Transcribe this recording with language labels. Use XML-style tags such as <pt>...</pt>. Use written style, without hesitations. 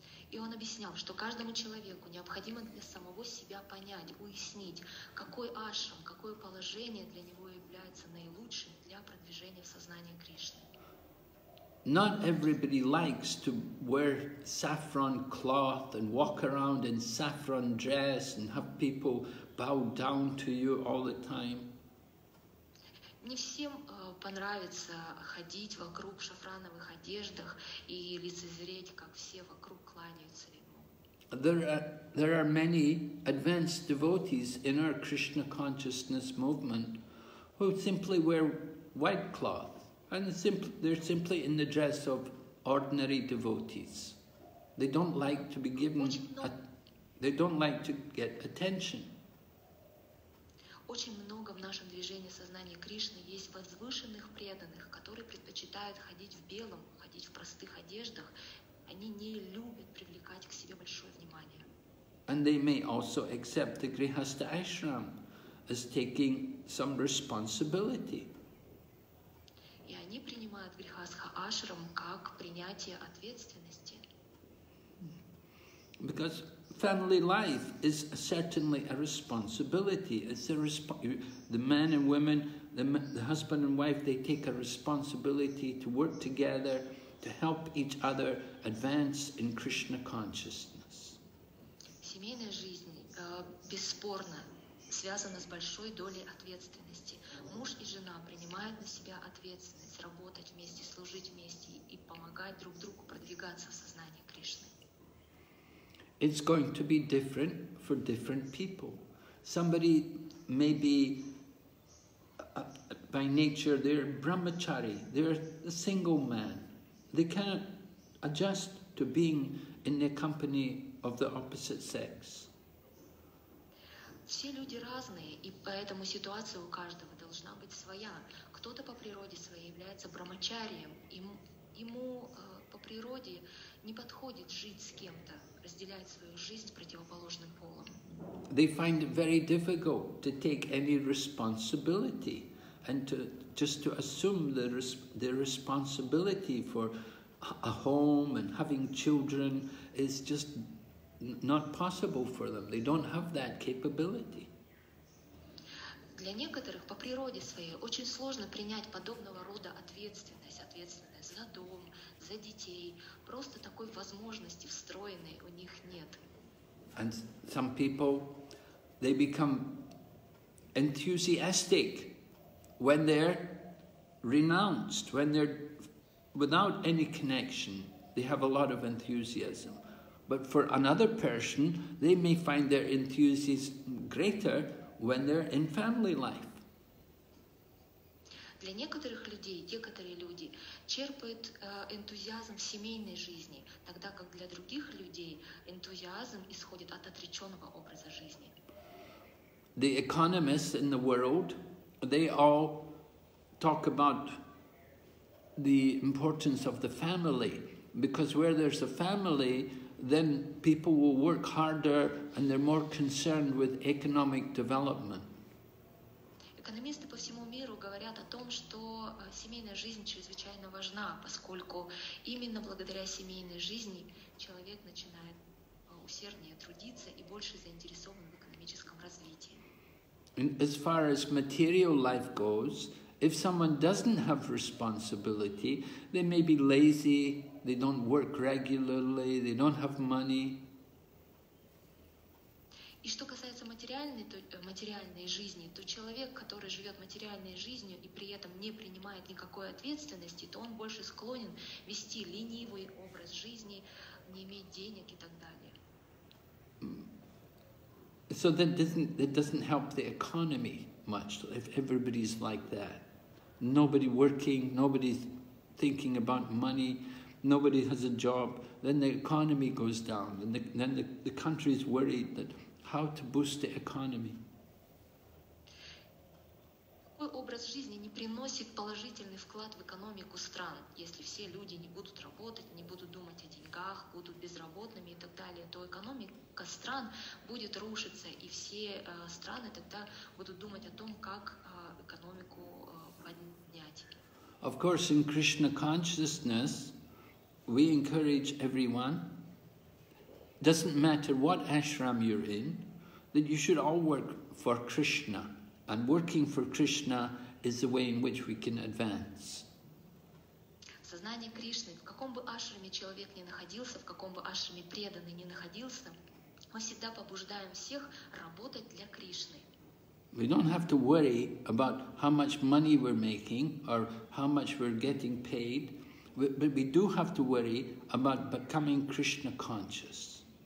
<ru>И он объяснял, что каждому человеку необходимо для самого себя понять, уяснить, какой ашрам, какое положение для него является наилучшим для продвижения в сознании Кришны.</ru> <en>Not everybody likes to wear saffron cloth and walk around in saffron dress and have people bow down to you all the time.</en> <ru>Не всем понравится ходить вокруг в шафрановых одеждах и лицезреть, как все вокруг кланяются ему.</ru> <en>There are many advanced devotees in our Krishna consciousness movement who simply wear white cloth. And they're simply in the dress of ordinary devotees. They don't like to be given. They don't like to get attention.</en> <ru>Очень много в нашем движении сознания Кришны есть возвышенных преданных, которые предпочитают ходить в белом, ходить в простых одеждах. Они не любят привлекать к себе большое внимание.</ru> <en>And they may also accept the Grihastha ashram as taking some responsibility.</en> <ru>И они принимают грихастха ашрам как принятие ответственности.</ru> <en>Because family life is certainly a responsibility. It's a the men and women, the husband and wife, they take a responsibility to work together, to help each other advance in Krishna consciousness.</en> <ru>Семейная жизнь бесспорно связана с большой долей ответственности. Муж и жена принимают на себя ответственность работать вместе, служить вместе и помогать друг другу продвигаться в сознании Кришны.</ru> <en>It's going to be different for different people. Somebody may be, by nature, they're brahmachari, they're a single man. They cannot adjust to being in the company of the opposite sex.</en> <ru>Все люди разные, и поэтому ситуация у каждого должна быть своя. Кто-то по природе своей является брахмачарием, ему по природе не подходит жить с кем-то, разделять свою жизнь противоположным полом.</ru> <en>They find it very difficult to take any responsibility and to assume the responsibility for a home and having children is just not possible for them. They don't have that capability.</en> <ru>Для некоторых по природе своей очень сложно принять подобного рода ответственность, ответственность за дом, за детей. Просто такой возможности встроенной у них нет.</ru> <en>And some people, they become enthusiastic when they're renounced, when they're without any connection. They have a lot of enthusiasm. But for another person, they may find their enthusiasm greater when they're in family life.</en> <ru>Для некоторых людей, некоторые люди черпают энтузиазм в семейной жизни, тогда как для других людей энтузиазм исходит от отреченного образа жизни.</ru> <en>The economists in the world, they all talk about the importance of the family, because where there's a family, then people will work harder and they're more concerned with economic development.</en> <ru>Экономисты по всему миру говорят о том, что семейная жизнь чрезвычайно важна, поскольку именно благодаря семейной жизни человек начинает усерднее трудиться и больше заинтересован в экономическом развитии.</ru> <en>And as far as material life goes, if someone doesn't have responsibility, they may be lazy, they don't work regularly, they don't have money.</en> <ru>И что касается материальной жизни, то человек, который живет материальной жизнью и при этом не принимает никакой ответственности, то он больше склонен вести ленивый образ жизни, не иметь денег и так далее.</ru> <en>So that doesn't help the economy much, if everybody's like that. Nobody working, nobody's thinking about money, nobody has a job, then the economy goes down, and then the country is worried that how to boost the economy.</en> <ru>Такой образ жизни не приносит положительный вклад в экономику стран. Если все люди не будут работать, не будут думать о деньгах, будут безработными и так далее, то экономика стран будет рушиться, и все страны тогда будут думать о том, как экономику поднять.</ru> <en>Of course, in Krishna consciousness, we encourage everyone, doesn't matter what ashram you're in, that you should all work for Krishna. And working for Krishna is the way in which we can advance.</en> <ru>В сознании Кришны, в каком бы ашраме человек ни находился, в каком бы ашраме преданный ни находился, мы всегда побуждаем всех работать для Кришны.</ru> <en>We don't have to worry about how much money we're making or how much we're getting paid, but we do have to worry about becoming Krishna conscious.</en>